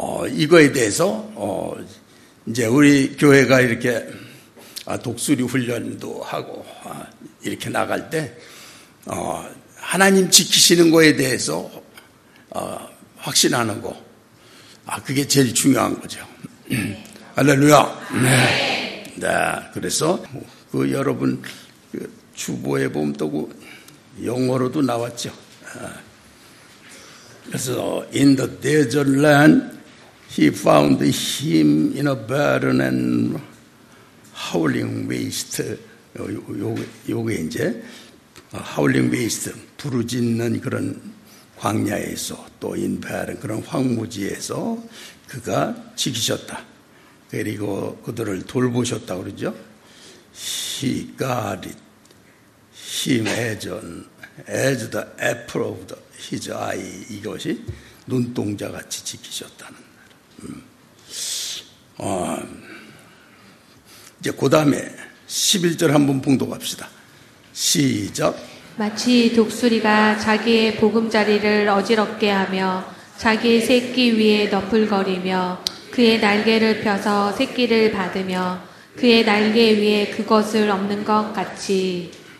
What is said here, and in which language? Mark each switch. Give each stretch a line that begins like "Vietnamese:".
Korean: 이거에 대해서 이제 우리 교회가 이렇게 독수리 훈련도 하고 이렇게 나갈 때 하나님 지키시는 거에 대해서 확신하는 거, 그게 제일 중요한 거죠. 할렐루야. 네. 네. 그래서 그 여러분 주보에 보면 또 그 영어로도 나왔죠.
English: 그래서 in the desert land he found him in a barren and howling waste.
Korean: 요게 이제
English: howling waste
Korean: 부르짖는 그런 광야에서 또
English: in barren
Korean: 그런 황무지에서 그가 지키셨다. 그리고 그들을 돌보셨다 그러죠.
English: He got it. Him as the apple of the, his eye.
Korean: 이것이 눈동자같이 지키셨다는 말이에요. 이제 그 다음에 11절 한번 봉독합시다. 시작. 마치 독수리가 자기의 보금자리를 어지럽게 하며 자기의 새끼 위에 너풀거리며 그의 날개를 펴서 새끼를 받으며 그의 날개 위에 그것을 없는 것 같이.